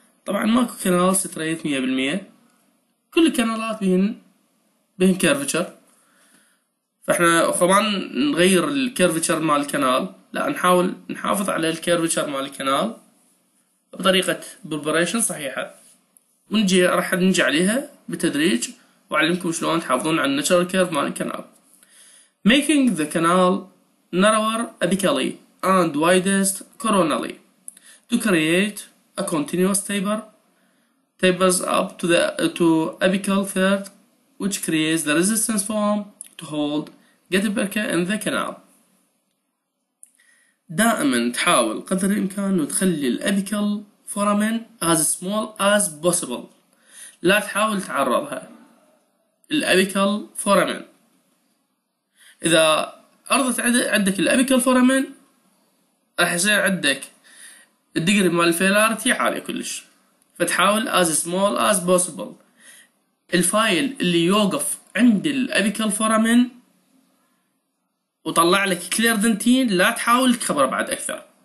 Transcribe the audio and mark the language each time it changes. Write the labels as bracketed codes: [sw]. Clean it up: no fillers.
[ar] طبعا ماكو كنال ستريت 100%، كل الكنالات بهن كيرفتشر، فاحنا طبعا نغير الكيرفتشر مال الكنال، لا نحاول نحافظ على الكيرفتشر مال الكنال بطريقة بربريشن صحيحة، ونجي راح نجي عليها بالتدريج وأعلمكم شلون تحافظون على الناتشرال كيرف مال الكنال. [en] Making the canal narrower apically and widest coronally to create a continuous taper tapers up to the apical third which creates the resistance form to hold Gutenberg in the canal. [ar] دائما تحاول قدر الامكان وتخلي الابيكال فورامين [en] as small as possible، [ar] لا تحاول تعرضها الابيكال فورامين. اذا عرضت عندك الابيكال فورامين راح يصير عندك الدقري مال الفيلارتي عالية كلش، فتحاول [en] as small as possible [ar] الفايل اللي يوقف عند الابيكال فورامين وطلع لك كلير دنتين، لا تحاول تكبره بعد اكثر.